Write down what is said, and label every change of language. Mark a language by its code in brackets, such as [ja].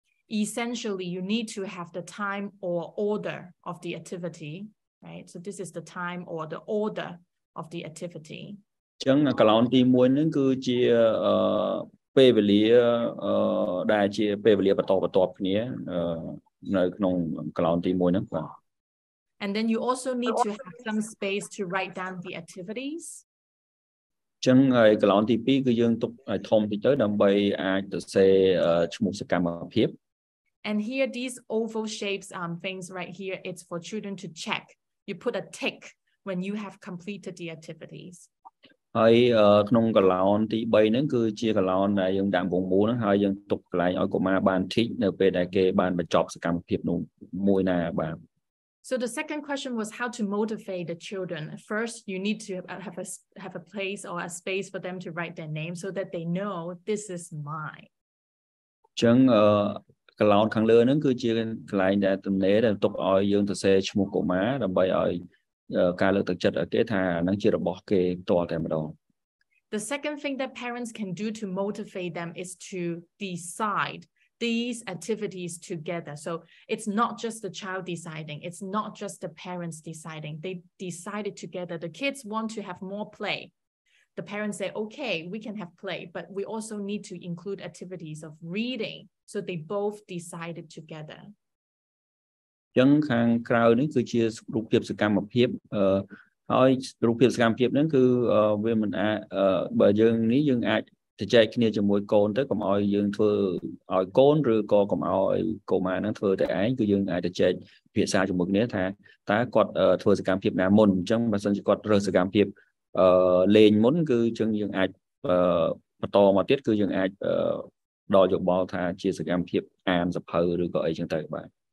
[en] Essentially you need to have the time or order of the activity, right? So this is the time or the order of the activity. [km] ចឹងកាលោនទី1នឹងគឺជាពេលវេលាដែលជាពេលវេលាបន្តបន្តគ្នានៅក្នុងក្លោនទី1ហ្នឹងបាទ [en] And then you also need to have some space to write down the activities [km] ចឹងហើយក្លោនទី2គឺយើងទុកឲ្យធំតិចទៅដើម្បីអាចសរសេរឈ្មោះសកម្មភាព [en] And here these oval shapes things right here it's for children to check you put a tick when you have completed the activities [km] ហើយក្នុងកឡោនទី3ហ្នឹងគឺជាកឡោនដែលយើងដាក់ពងមូលហ្នឹងហើយយើងទុកកន្លែងឲ្យកុមារបានឈិចនៅពេលដែលគេបានបញ្ចប់សកម្មភាពនោះមួយណាបាទ [en] So the second question was how to motivate the children. First you need to have a place or a space for them to write their name so that they know this is mine. [km] ចឹងកឡោនខាងលើហ្នឹងគឺជាកន្លែងដែលទំនេរដែលទុកឲ្យយើងសរសេរឈ្មោះកុមារដើម្បីឲ្យការលើកទឹកចិត្តឲ្យគេថាហ្នឹងជារបស់គេផ្ទាល់តែម្ដង [en] The second thing that parents can do to motivate them is to decide these activities together. So it's not just the child deciding, it's not just the parents deciding. They decided together. The kids want to have more play. The parents say, "Okay, we can have play, but we also need to include activities of reading." So they both decided together. [km] ចឹងខាងក្រៅនេះគឺជារូបភាពសកម្មភាពហើយរូបភាពសកម្មភាពហ្នឹងគឺវាមិនអាចបើយើងនេះយើងអាចទៅចែកគ្នាជាមួយកូនទៅកុំឲ្យយើងធ្វើឲ្យកូនឬក៏កុំឲ្យកុមារហ្នឹងធ្វើតែឯងគឺយើងអាចទៅចែកភាសាជាមួយគ្នាថាតើគាត់ធ្វើសកម្មភាពណាមុនអញ្ចឹងបើសិនជាគាត់រើសសកម្មភាពលេងមុនគឺចឹងយើងអាចបន្តមកទៀតគឺយើងអាចដល់យោបល់ថាជាសកម្មភាពអានសភៅឬក៏អីចឹងទៅបាទ